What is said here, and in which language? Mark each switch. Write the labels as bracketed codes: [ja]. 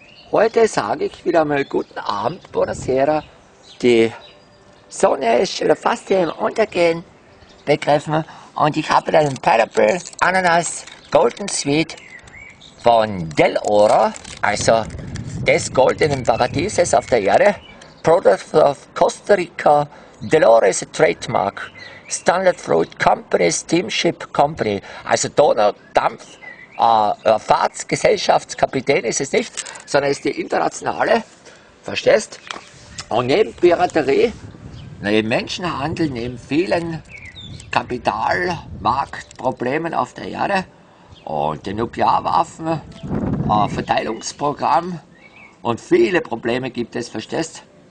[de] Heute sage ich wieder mal guten Abend, Buonasera. Die Sonne ist schon fast hier im Untergehen begriffen und ich habe einen Pineapple Ananas Golden Sweet von Del Oro, also des goldenen Paradieses auf der Erde. [en] Product of Costa Rica, Del Oro is a trademark, Standard Fruit Company, Steamship Company, [de] also Donaudampf. Fahrtsgesellschaftskapitän ist es nicht, sondern ist die internationale, verstehst? Und neben Piraterie, neben Menschenhandel, neben vielen Kapitalmarktproblemen auf der Erde und dem Nuklearwaffen, Verteilungsprogramm und viele Probleme gibt es, verstehst?